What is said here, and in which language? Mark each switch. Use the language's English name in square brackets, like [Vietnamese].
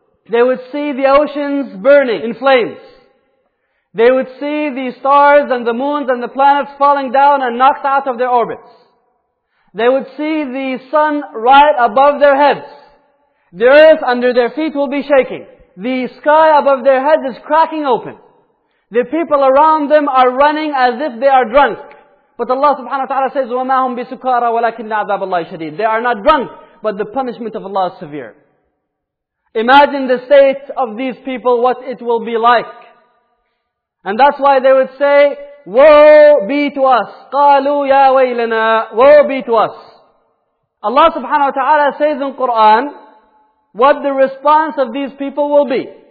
[English] They would see the oceans burning in flames. They would see the stars and the moons and the planets falling down and knocked out of their orbits. They would see the sun right above their heads. The earth under their feet will be shaking. The sky above their heads is cracking open. The people around them are running as if they are drunk. [Arabic] But Allah subhanahu wa ta'ala says, وَمَا هُمْ بِسُكَارَ وَلَكِنَّ عَذَابَ اللَّهِ شَدِيدٌ. [English] They are not drunk, but the punishment of Allah is severe. Imagine the state of these people, what it will be like. And that's why they would say, woe be to us. [Arabic] قَالُوا يَا وَيْلَنَا. [English] Woe be to us. Allah subhanahu wa ta'ala says in Quran, what the response of these people will be.